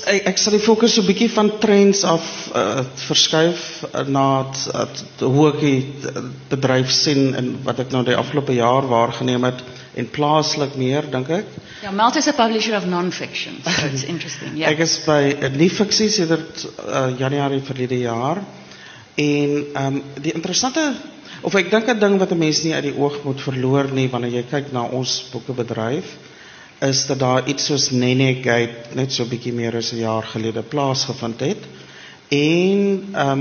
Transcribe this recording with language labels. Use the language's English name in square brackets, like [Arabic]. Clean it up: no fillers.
[Afrikaans] Ek sal die fokus so 'n bietjie van trends af verskuif na hoe ek bedryf sien en wat ek nou die afgelope jaar waargeneem het en plaaslik meer, dink ek. [English] Ja, Malt is a publisher of non-fiction, so it's interesting. Yeah. [Afrikaans] Ek is by nie fiksie sedert Januarie verlede jaar en die interessante, of ek dink 'n ding wat 'n mens nie uit die oog moet verloor nie wanneer jy kyk na ons boekebedryf, is dat daar iets soos Nene Gate net so bietjie meer as 'n jaar gelede plaasgevind het en